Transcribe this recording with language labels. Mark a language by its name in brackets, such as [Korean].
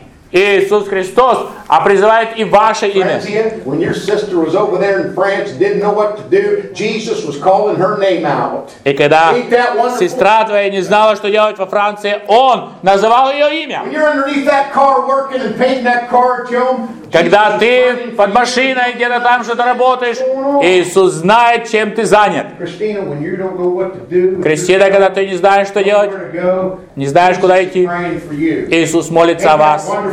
[Russian] Иисус Христос, а призывает и ваше имя. [English] When your sister was over there in France, didn't know what to do, Jesus was calling her name out. [Russian] И когда сестра твоя не знала, что делать во Франции, Он называл ее имя. [English] When you're underneath that car working and painting that car, Tom. [Russian] Когда ты под машиной где-то там что-то работаешь, Иисус знает, чем ты занят. Кристина, когда ты не знаешь, что делать, не знаешь, куда идти, Иисус молится о вас.